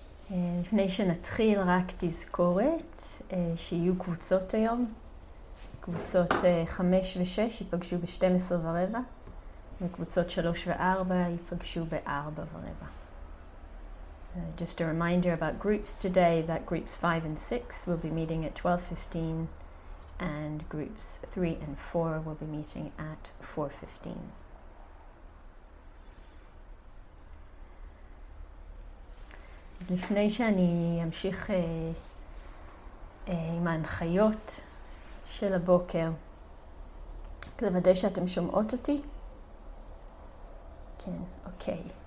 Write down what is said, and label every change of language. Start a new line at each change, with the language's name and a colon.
Hebrew: לפני שנתחיל, רק תזכורת שיהיו קבוצות היום. קבוצות 5 ו-6 ייפגשו ב-12:15, וקבוצות 3 ו-4 ייפגשו ב-16:15.
English: Just a reminder about groups today, that groups 5 and 6 will be meeting at 12:15 and groups 3 and 4 will be meeting at 4:15.
Hebrew: אז לפני שאני אמשיך עם ההנחיות של הבוקר, לוודא שאתם שומעות אותי. כן, אוקיי.